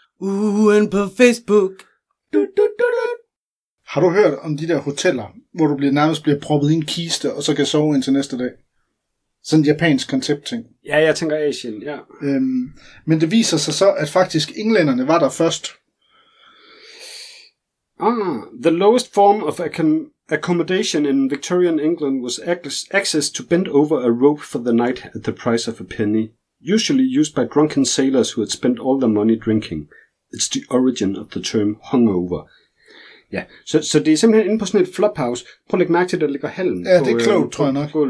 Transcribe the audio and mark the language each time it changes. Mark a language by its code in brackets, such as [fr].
[da] Ugen på Facebook. Du, du, du, du. Har du hørt om de der hoteller, hvor du nærmest bliver proppet i en kiste, og så kan sove ind til næste dag? Sådan et japansk koncept-ting. Ja, jeg tænker Asien, ja. Men det viser sig så, at faktisk englænderne var der først. [en] Ah, the lowest form of accommodation in Victorian England was access to bend over a rope for the night at the price of a penny, usually used by drunken sailors who had spent all their money drinking. It's the origin of the term hungover. [da] Ja, så det er simpelthen inde på sådan et flophouse. Prøv at lægge mærke til, at der ligger halm. Ja, det er klogt, tror jeg nok.